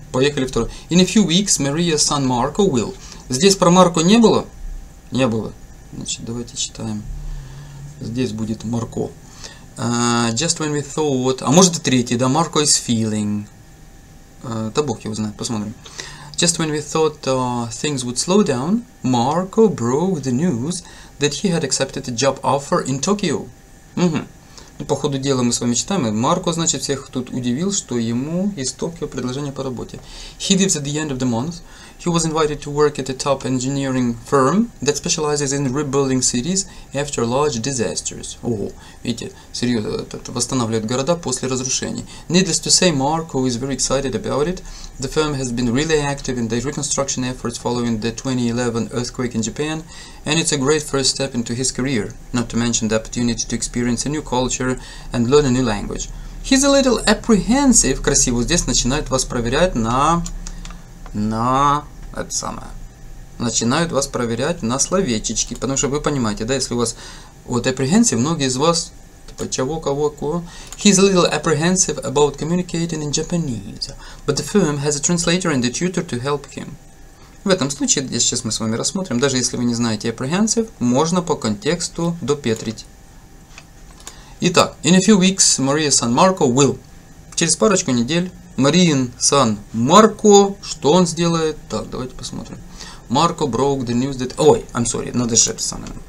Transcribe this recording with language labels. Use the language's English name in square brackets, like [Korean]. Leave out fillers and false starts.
[Russian] Поехали второй. [English] In a few weeks Maria's son Marco will. [Russian] Здесь про Марко не было? Не было. Значит, давайте читаем. Здесь будет Марко. [English] Just when we thought... [Russian] А может и третий, да? [English] Marco is feeling. [Russian] Да бог его знает, посмотрим. [English] Just when we thought things would slow down, Marco broke the news that he had accepted a job offer in Tokyo. [Russian] Угу. Ну, по ходу дела мы с вами читаем. Марко, значит, всех тут удивил, что ему из Токио предложение по работе. [English] He lives at the end of the month. He was invited to work at a top engineering firm that specializes in rebuilding cities after large disasters. [Russian] Ого, видите, серьезно, это восстанавливает города после разрушений. [English] Needless to say, Marco is very excited about it. The firm has been really active in the reconstruction efforts following the 2011 earthquake in Japan, and it's a great first step into his career, not to mention the opportunity to experience a new culture and learn a new language. He's a little apprehensive. [Russian] Красиво, здесь начинают вас проверять на... На это самое. Начинают вас проверять на словечечки. Потому что вы понимаете, да, если у вас вот apprehensive, многие из вас типа Чавока Воку. [English] He's a little apprehensive about communicating in Japanese, but the firm has a translator and a tutor to help him. [Russian] В этом случае, сейчас мы с вами рассмотрим, даже если вы не знаете apprehensive, можно по контексту допетрить. [English] Итак, in a few weeks Maria San Marco will. [Russian] Через парочку недель Мариан Сан Марко, что он сделает? Так, давайте посмотрим. Марко [English] broke the news that... [Russian] Ой, [English] I'm sorry, [Russian] надо же это самое.